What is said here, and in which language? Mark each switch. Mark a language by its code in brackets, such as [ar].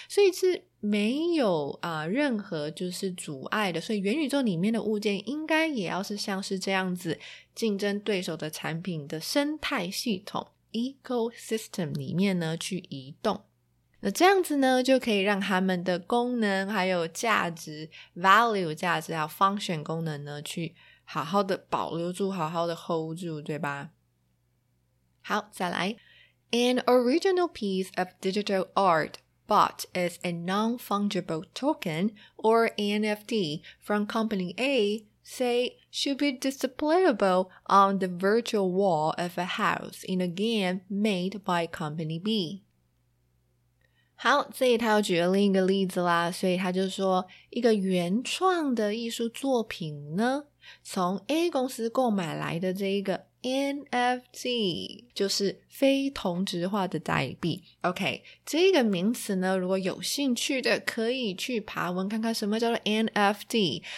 [zh] 所以是没有任何就是阻碍的，所以元宇宙里面的物件应该也要是像是这样子，竞争对手的产品的生态系统 Ecosystem 里面呢去移动，那这样子呢就可以让他们的功能还有价值 value 价值还有 function 功能呢去好好的保留住，好好的 hold 住，对吧？好，再来。 [en] An original piece of digital art bought as a non-fungible token or NFT from company A, say, should be displayable on the virtual wall of a house in a game made by company B. [zh] 好，这里他又举了另一个例子啦，所以他就说一个原创的艺术作品呢，从 A 公司购买来的这一个 NFT 就是非同质化的代币。 OK, 这个名词呢如果有兴趣的可以去爬文看看什么叫做 NFT。